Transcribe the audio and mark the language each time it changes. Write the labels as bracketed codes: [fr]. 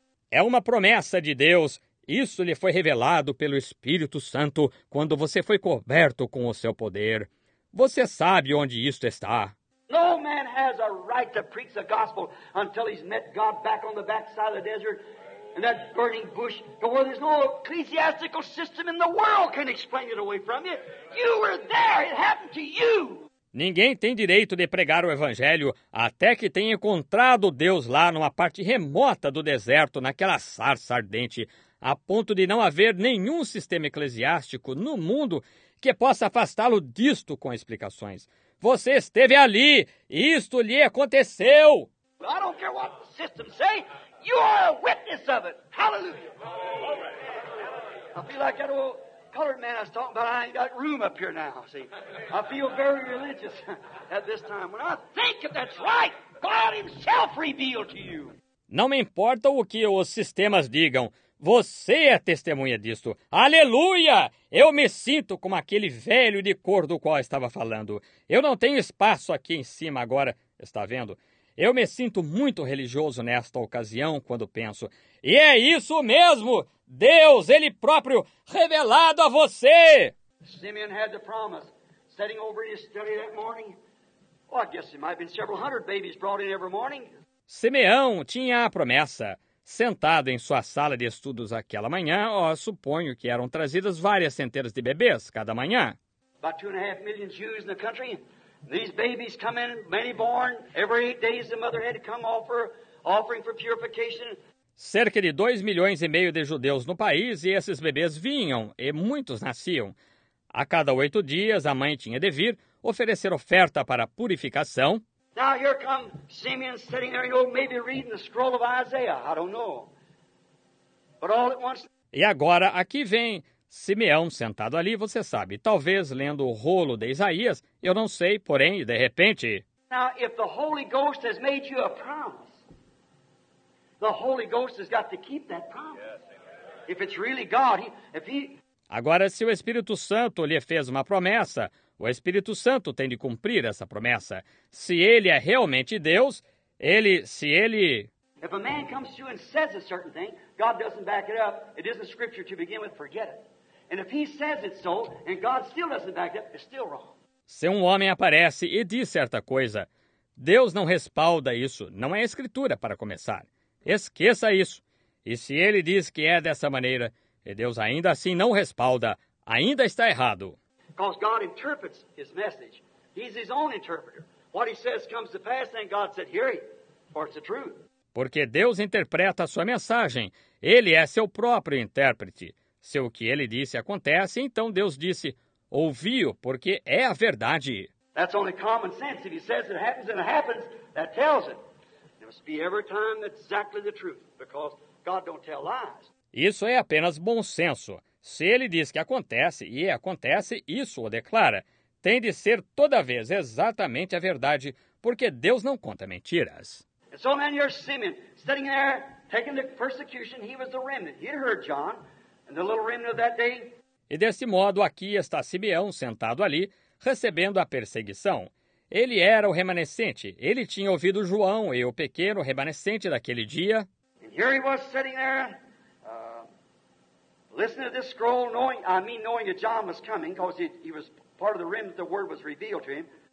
[pt] É uma promessa de Deus. Isso lhe foi revelado pelo Espírito Santo quando você foi coberto com o seu poder. Você sabe onde isto está. [en] No man has a right to preach the gospel until he's met God back on the back side of the desert and that burning bush to where there's no ecclesiastical system in the world can explain it away from you. You were there. It happened to you. [pt] Ninguém tem direito de pregar o evangelho até que tenha encontrado Deus lá numa parte remota do deserto, naquela sarça ardente, a ponto de não haver nenhum sistema eclesiástico no mundo que possa afastá-lo disto com explicações. Você esteve ali e isto lhe aconteceu. Eu não quero o que o sistema diz, você é uma testemunha disso. Aleluia! Eu sinto como aquele [en] colored man I was talking about, I ain't got room up here now, see. I feel very religious at this time. When I think of that's right, God himself revealed to you. [pt] Não me importa o que os sistemas digam, você é testemunha disto. Aleluia! Eu me sinto como aquele velho de cor do qual estava falando. Eu não tenho espaço aqui em cima agora, está vendo? Eu me sinto muito religioso nesta ocasião quando penso. E é isso mesmo! Deus, ele próprio, revelado a você! [en] Simeon had the promise, sitting over in his study that morning. Well, I guess it might have been several hundred babies brought in every morning. [pt] Simeão tinha a promessa. Sentado em sua sala de estudos aquela manhã, suponho que eram trazidas várias centenas de bebês cada manhã. [en] About 2.5 million Jews in the country. These babies come in, many born. Every 8 days the mother had to come offer offering for purification. [pt] Cerca de 2.5 milhões de judeus no país e esses bebês vinham e muitos nasciam. A cada 8 dias a mãe tinha de vir oferecer oferta para purificação. [en] Now here comes Simeon sitting there, maybe reading the scroll of Isaiah. I don't know. But all at once. [pt] E agora aqui vem Simeão sentado ali, você sabe, talvez lendo o rolo de Isaías, eu não sei, porém, de repente. [en] Now, if the Holy Ghost has made you a promise, the Holy Ghost has got to keep that promise. If it's really God, if he... [pt] Agora, se o Espírito Santo lhe fez uma promessa, o Espírito Santo tem de cumprir essa promessa. Se ele é realmente Deus, ele, se ele... [en] If a man comes to you and says a certain thing, God doesn't back it up. It isn't scripture to begin with, forget it. And if he says it's so, and God still doesn't back it up, it's still wrong. [pt] Se um homem aparece e diz certa coisa, Deus não respalda isso, não é escritura para começar. Esqueça isso. E se ele diz que é dessa maneira, e Deus ainda assim não respalda, ainda está errado. [en] Because God interprets his message. He's his own interpreter. What he says comes to pass, then God said, hear it, for it's the truth. [pt] Porque Deus interpreta a sua mensagem. Ele é seu próprio intérprete. Se o que ele disse acontece, então Deus disse, ouvi-o, porque é a verdade. [en] That's only common sense. If he says it happens and it happens, that tells it. It must be every time exactly the truth, because God don't tell lies. [pt] Isso é apenas bom senso. Se ele diz que acontece e acontece, isso o declara. Tem de ser toda vez exatamente a verdade, porque Deus não conta mentiras. [en] And so then here's Simeon, sitting there, taking the persecution, he was the remnant. He'd heard John, and the little remnant of that day. [pt] E desse modo, aqui está Simeão, sentado ali, recebendo a perseguição. Ele era o remanescente. Ele tinha ouvido João e o pequeno remanescente daquele dia. [en] And here he was sitting there, listening to this scroll, knowing that John was coming, because he was part of the remnant, the word was revealed to him.